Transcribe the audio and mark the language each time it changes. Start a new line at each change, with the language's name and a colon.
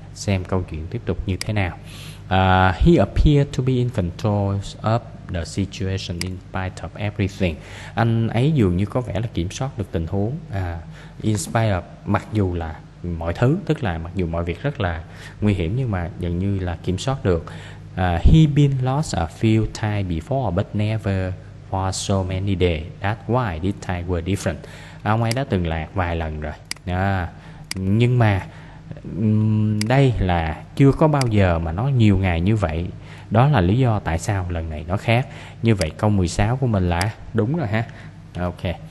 Vietnamese: xem câu chuyện tiếp tục như thế nào.
English: He appeared to be in control of the situation in spite of everything.
Vietnamese: Anh ấy dường như có vẻ là kiểm soát được tình huống,
English: in spite of,
Vietnamese: mặc dù là mọi thứ, tức là mặc dù mọi việc rất là nguy hiểm nhưng mà dường như là kiểm soát được.
English: He been lost a few times before but never for so many days. That's why this time were different.
Vietnamese: Ông ấy đã từng lạc vài lần rồi. Nhưng mà đây là chưa có bao giờ mà nó nhiều ngày như vậy. Đó là lý do tại sao lần này nó khác. Như vậy câu 16 của mình là đúng rồi ha. Ok.